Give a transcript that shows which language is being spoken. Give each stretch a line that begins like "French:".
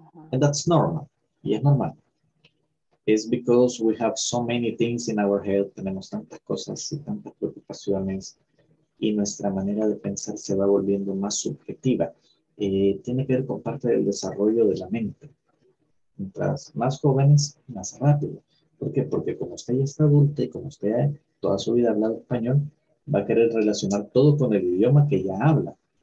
English: And that's normal. Yes, normal. It's because we have so many things in our head.
Spanish: Tenemos tantas cosas y tantas preocupaciones. Y nuestra manera de pensar se va volviendo más subjetiva. Tiene que ver con parte del desarrollo de la mente. Mientras más jóvenes, más rápido. ¿Por qué? Porque como usted ya está adulta y como usted toda su vida ha hablado español, va a querer relacionar todo con el idioma que ya habla.